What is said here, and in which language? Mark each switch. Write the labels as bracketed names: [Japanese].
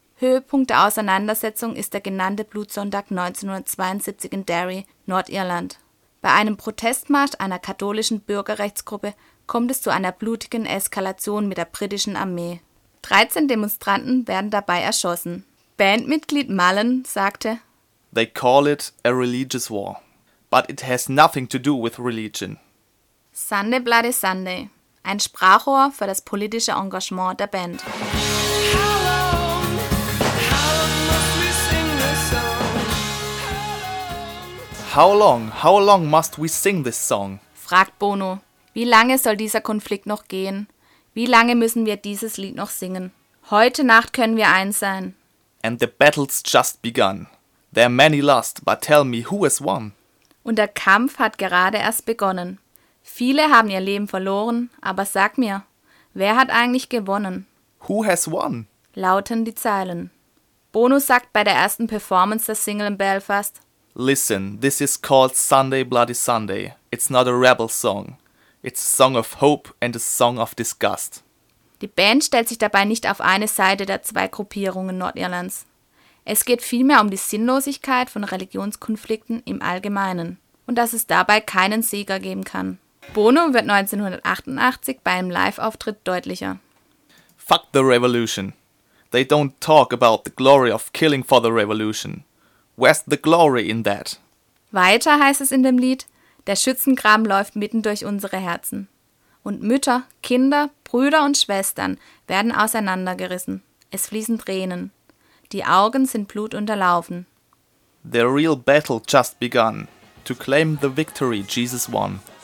[German] Höhepunkt der Auseinandersetzung ist der genannte Blutsonntag 1972 in Derry, Nordirland. Bei einem Protestmarsch einer katholischen Bürgerrechtsgruppe kommt es zu einer blutigen Eskalation mit der britischen Armee. 13 Demonstranten werden dabei erschossen. Bandmitglied Mullen sagte, [English] They call it a religious war, but it has nothing to do with religion. [German] Sunday Bloody Sunday, ein Sprachrohr für das politische Engagement der Band. [English] How long must we sing this song? [German] Fragt Bono. Wie lange soll dieser Konflikt noch gehen? Wie lange müssen wir dieses Lied noch singen? Heute Nacht können wir eins sein. [English] And the battle's just begun. There are many lost, but tell me who has won. [German] Und der Kampf hat gerade erst begonnen. Viele haben ihr Leben verloren, aber sag mir, wer hat eigentlich gewonnen? [English] Who has won? [German] Lauten die Zeilen. Bono sagt bei der ersten Performance der Single in Belfast: [English] "Listen, this is called Sunday Bloody Sunday. It's not a rebel song. It's a song of hope and a song of disgust." [German] Die Band stellt sich dabei nicht auf eine Seite der zwei Gruppierungen Nordirlands. Es geht vielmehr um die Sinnlosigkeit von Religionskonflikten im Allgemeinen und dass es dabei keinen Sieger geben kann. Bono wird 1988 bei einem Live-Auftritt deutlicher: [English] "Fuck the revolution. They don't talk about the glory of killing for the revolution. Where's the glory in that?" [German] Weiter heißt es in dem Lied: "Der Schützengraben läuft mitten durch unsere Herzen. Und Mütter, Kinder, Brüder und Schwestern werden auseinandergerissen. Es fließen Tränen. Die Augen sind blutunterlaufen. [English] The real battle just begun. To claim the victory Jesus won."